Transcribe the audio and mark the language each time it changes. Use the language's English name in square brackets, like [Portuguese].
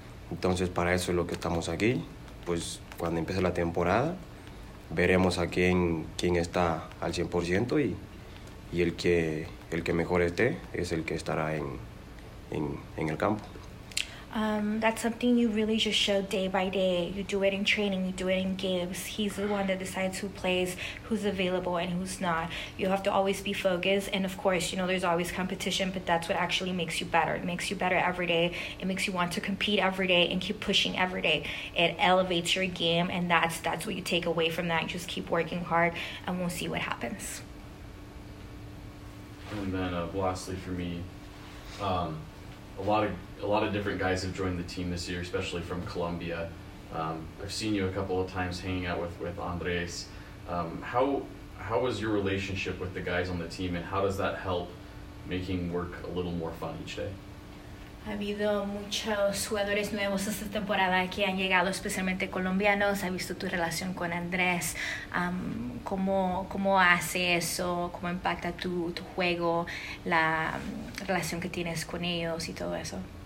[Spanish] Entonces para eso es lo que estamos aquí. Pues cuando empiece la temporada veremos a quién está al 100%, y el que mejor esté es el que estará en el campo. [English] That's something you really just show day by day. You do it in training, you do it in games. He's the one that decides who plays, who's available and who's not. You have to always be focused, and of course, you know, there's always competition, but that's what actually makes you better. It makes you better every day. It makes you want to compete every day and keep pushing every day. It elevates your game, and that's what you take away from that. Just keep working hard and we'll see what happens. And then lastly for me, A lot of different guys have joined the team this year, especially from Colombia. I've seen you a couple of times hanging out with Andres. How was your relationship with the guys on the team, and how does that help making work a little more fun each day? [Spanish] Ha habido muchos jugadores nuevos esta temporada que han llegado, especialmente colombianos. ¿Has visto tu relación con Andrés? ¿Cómo hace eso? ¿Cómo impacta tu juego, la relación que tienes con ellos y todo eso?